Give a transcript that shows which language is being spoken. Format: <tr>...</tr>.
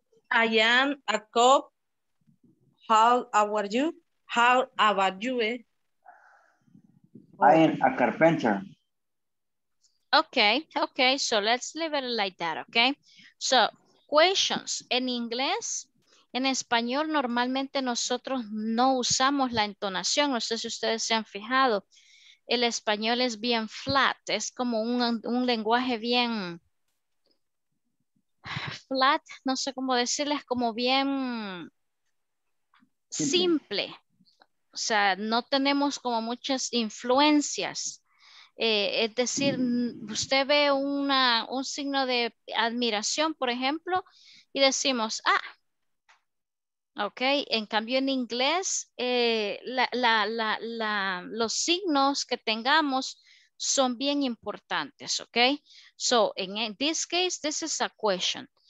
<en>I am a cop. How are you? How about you? I am a carpenter. Okay, okay, so let's leave it like that, okay?</en> <es>So, questions en inglés, en español normalmente nosotros no usamos la entonación, no sé si ustedes se han fijado, el español es bien flat, es como un lenguaje bien flat, no sé cómo decirles, es como bien simple, o sea, no tenemos como muchas influencias. Es decir, usted ve un signo de admiración, por ejemplo, y decimos, ah, ok, en cambio en inglés, los signos que tengamos son bien importantes, ok.</es> <en>So, in this case, this is a question.</en>